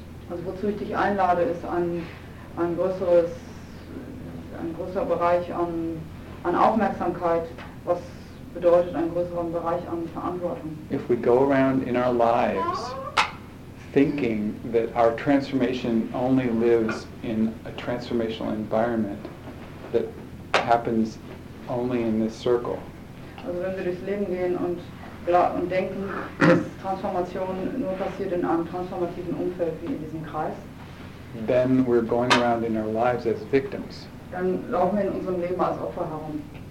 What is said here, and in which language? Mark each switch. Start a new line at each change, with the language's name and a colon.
German: Also wozu ich dich einlade, ist ein größerer Bereich an Aufmerksamkeit, was bedeutet einen größeren Bereich an Verantwortung.
English: If we go around in our lives thinking that our transformation only lives in a transformational environment that happens only in this circle.
German: Also wenn wir durchs Leben gehen und denken, dass Transformation nur passiert in einem transformativen Umfeld wie in diesem Kreis.
English: Then we're going around in our lives as victims.
German: Dann laufen wir in unserem Leben als Opfer herum.